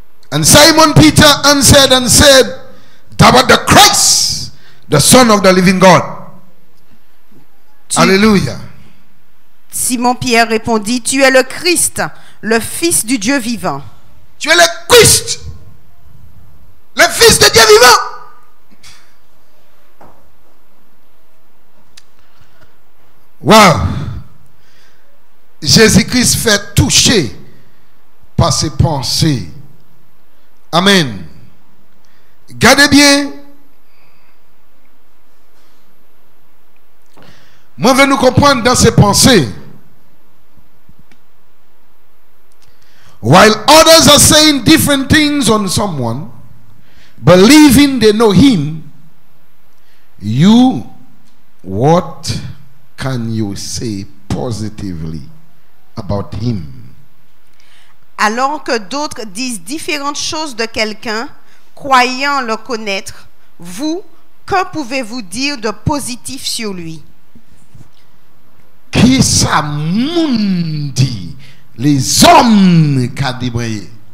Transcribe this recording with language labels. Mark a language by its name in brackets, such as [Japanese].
[English] And Simon Peter answered and said, Thou art the Christ, the Son of the living God. [French] Alléluia. Simon Pierre répondit, Tu es le Christ, le Fils du Dieu vivant. Tu es le Christ. Le fils de Dieu vivant. Wow. Jésus-Christ fait toucher par ses pensées. Amen. Gardez bien. Moi, je veux nous comprendre dans ses pensées. [English] While others are saying different things on someone, believing they know him, you, what can you say positively about him? [French] Alors que d'autres disent différentes choses de quelqu'un, croyant le connaître, vous, que pouvez-vous dire de positif sur lui? Qui sa mundi, les hommes qu'a débrayé.